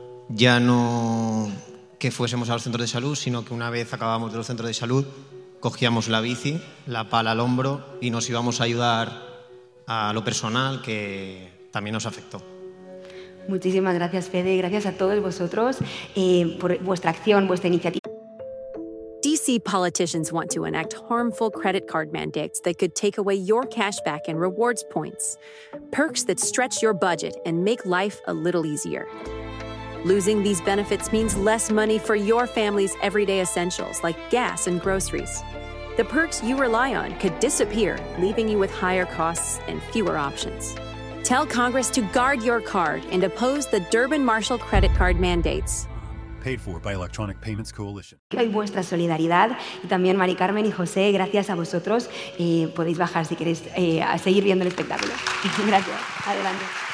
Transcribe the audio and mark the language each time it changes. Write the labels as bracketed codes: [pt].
[es] Ya no que fuésemos al centro de salud, sino que una vez acabamos de los centros de salud, cogíamos la bici, la pala al hombro y nos íbamos a ayudar a lo personal, que también nos afectó. Muchísimas gracias, Fede. Gracias a todos vosotros por vuestra acción, vuestra iniciativa. [en] DC politicians want to enact harmful credit card mandates that could take away your cash back and rewards points. Perks that stretch your budget and make life a little easier. Losing these benefits means less money for your family's everyday essentials like gas and groceries. The perks you rely on could disappear, leaving you with higher costs and fewer options. Tell Congress to guard your card and oppose the Durbin-Marshall credit card mandates. Paid for by Electronic Payments Coalition. [es] Y vuestra solidaridad, y también Mari Carmen y José, gracias a vosotros. Podéis bajar si queréis a seguir viendo el espectáculo. Gracias. Adelante.